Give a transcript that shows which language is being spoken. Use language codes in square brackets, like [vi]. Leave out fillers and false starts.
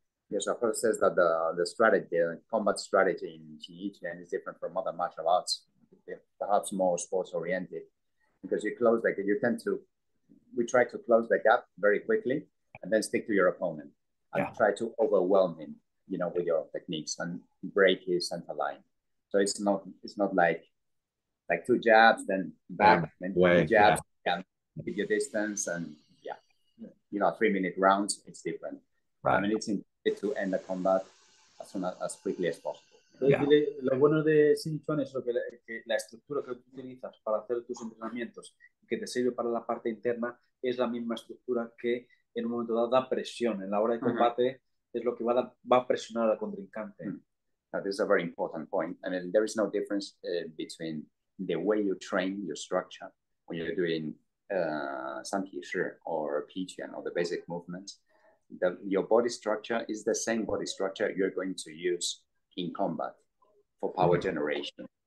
[en] Yes, of course, says that the strategy, the combat strategy in Xingyi is different from other martial arts, perhaps more sports oriented, because you close the, you tend to, we try to close the gap very quickly and then stick to your opponent and try to overwhelm him, you know, with your techniques and break his center line. So it's not like two jabs, then back, then two jabs, keep your distance, and you know, 3 minute rounds, it's different. Right. I mean, it's in to end the combat as soon as quickly as possible. [es] Lo bueno de Xing Chuan es que la estructura que utilizas para hacer tus entrenamientos que te sirve para la parte interna es la misma estructura que en un momento dado da presión. En la hora de combate es lo que va a presionar al contrincante. [en] Now, this is a very important point. I mean, there is no difference between the way you train your structure when you're doing San Ti Shi or Pi Quan or the basic movements. Your body structure is the same body structure you're going to use in combat for power generation.